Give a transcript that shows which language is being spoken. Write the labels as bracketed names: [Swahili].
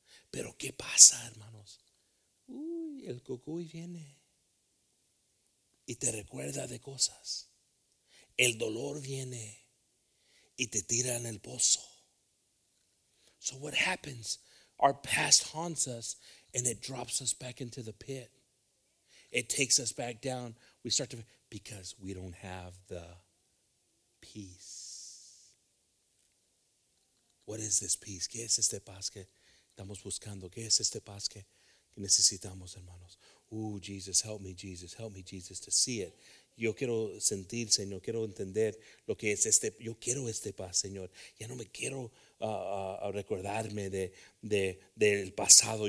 [Spanish] Pero ¿qué pasa, hermanos? Uy, el cucuy viene y te recuerda de cosas. El dolor viene y te tira en el pozo. [English] So what happens? Our past haunts us and it drops us back into the pit. It takes us back down. We start to, because we don't have the peace. What is this peace? [Spanish] ¿Qué es este paz que estamos buscando? ¿Qué es este paz que necesitamos, hermanos? [English] Ooh, Jesus, help me, Jesus. Help me, Jesus, to see it. [Spanish] Yo quiero sentir, Señor. Quiero entender lo que es este. Yo quiero este paz, Señor. Ya no me quiero recordarme del pasado.